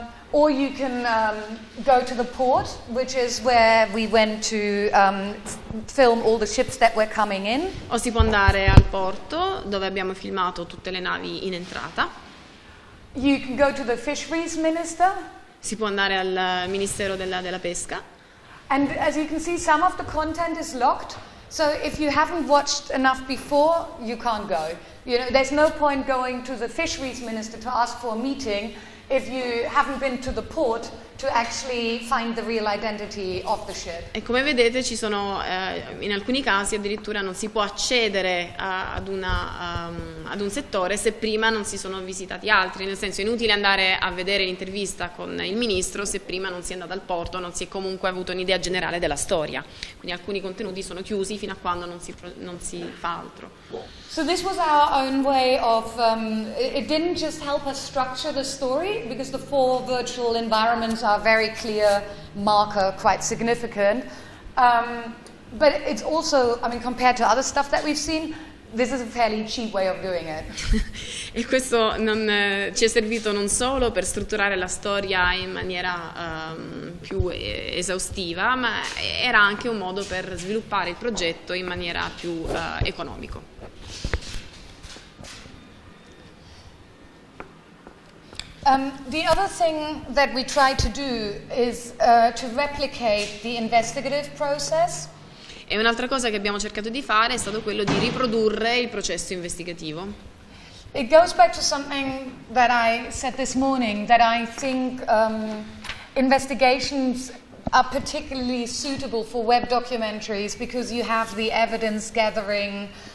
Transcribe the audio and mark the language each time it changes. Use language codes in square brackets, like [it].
[en] Or you can go to the port, which is where we went to film all the ships that were coming in. [it] O si può andare al porto dove abbiamo filmato tutte le navi in entrata. [en] You can go to the fisheries minister. [it] Si può andare al Ministero della Pesca. [en] And as you can see, some of the content is locked. So if you haven't watched enough before, you can't go. You know, there's no point going to the Fisheries Minister to ask for a meeting if you haven't been to the port to actually find the real identity of the ship. [it] E come vedete, ci sono in alcuni casi addirittura non si può accedere ad un settore se prima non si sono visitati altri. Nel senso, è inutile andare a vedere l'intervista con il ministro se prima non si è andato al porto, non si è comunque avuto un'idea generale della storia. Quindi alcuni contenuti sono chiusi fino a quando non si fa altro. [en] So this was our own way of it didn't just help us structure the story because the four virtual environments are a very clear marker, quite significant. But it's also, I mean, compared to other stuff that we've seen, this is a fairly cheap way of doing it. [it] E questo non ci è servito non solo per strutturare la storia in maniera più esaustiva, ma era anche un modo per sviluppare il progetto in maniera più economico. [en] The other thing that we try to do is to replicate the investigative process. [it] E un'altra cosa che abbiamo cercato di fare è stato quello di riprodurre il processo investigativo. [en] It goes back to something that I said this morning, that I think investigations are particularly suitable for web documentaries because you have the evidence gathering,